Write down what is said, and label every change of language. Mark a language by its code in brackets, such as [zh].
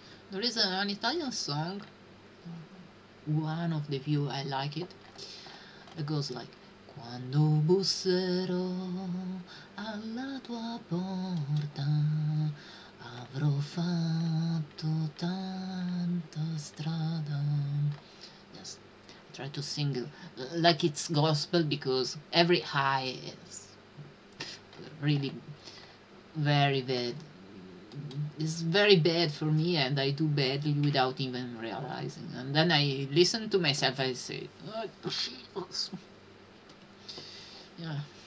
[en] There is an Italian song, one of the few I like it. It goes like, [it] quando busserò alla tua porta, avrò fatto tanta strada. [en] Yes, I try to sing like it's gospel because every high is really very bad. It's very bad for me, and I do badly without even realizing. And then I listen to myself, I say, oh, Jesus. Yeah.